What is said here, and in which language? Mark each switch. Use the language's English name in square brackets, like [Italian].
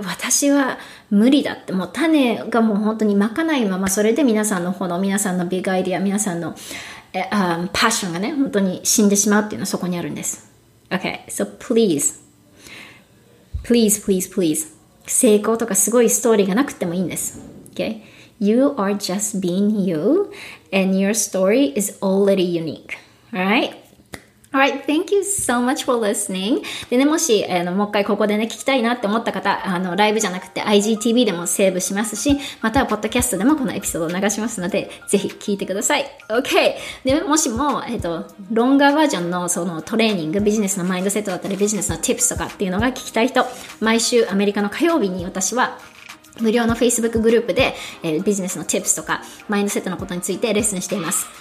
[Japanese] 私は無理だって。もう種がもう本当に巻かないまま、それで皆さんの炎、皆さんのビッグアイディア、皆さんのパッションがね、本当に死んでしまうっていうのはそこにあるんです。 [English] Okay, so please. Please, please, please. [Japanese] 成功とかすごいストーリーがなくてもいいんです。 [English] Okay? You are just being you, and your story is already unique. Alright? Alright, thank you so much for listening. [Japanese] でね、もし、もう一回ここでね、聞きたいなって思った方、ライブじゃなくて IGTV でもセーブしますし、またはポッドキャストでもこのエピソードを流しますので、ぜひ聞いてください。 [English] Okay! [Japanese] で、もしも、ロンガーバージョンのそのトレーニング、ビジネスのマインドセットだったり、ビジネスのティップスとかっていうのが聞きたい人、毎週アメリカの火曜日に私は、無料の Facebook グループで、ビジネスのチップスとか、マインドセットのことについてレッスンしています。